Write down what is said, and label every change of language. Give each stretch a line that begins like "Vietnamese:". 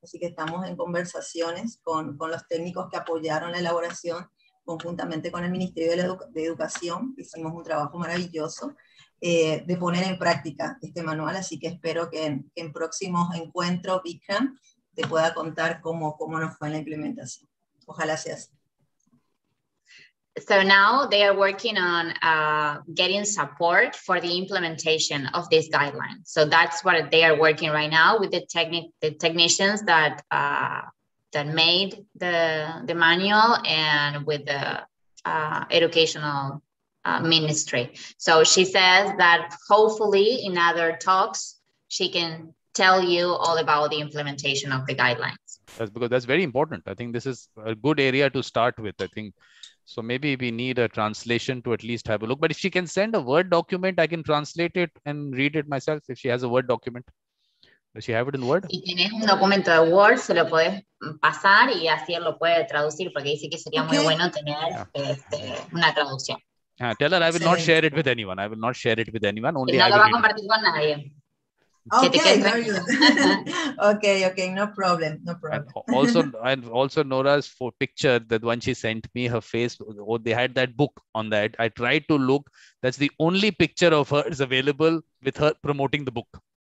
Spanish: Así que estamos en conversaciones con los técnicos que apoyaron la elaboración conjuntamente con el Ministerio de, de Educación. Hicimos un trabajo maravilloso de poner en práctica este manual. Así que espero que en próximos encuentros, Bikram, te pueda contar cómo nos fue en la implementación. Ojalá sea así.
English: So now they are working on getting support for the implementation of this guideline. So that's what they are working right now with the technicians that made the manual and with the educational ministry. So she says that hopefully in other talks, she can tell you all about the implementation of the guidelines. That's because that's very important. I think this is a good area to start with, I think. So maybe we need a translation to at least have a look. But if she can send a Word document, I can translate it and read it myself if she has a Word document. Does she have it in Word?
Spanish: Si tienes un documento de Word, se lo puedes pasar y así lo puede traducir porque dice que sería muy bueno tener una traducción.
English: Tell her I will not share it with anyone. I will not share it with anyone. Only
Spanish: no
English: I
Spanish: lo va a compartir con nadie.
English: Okay, no problem. And also Nora's for picture, that one she sent me, her face, they had that book on that. I tried to look, that's the only picture of her is available with her promoting the book.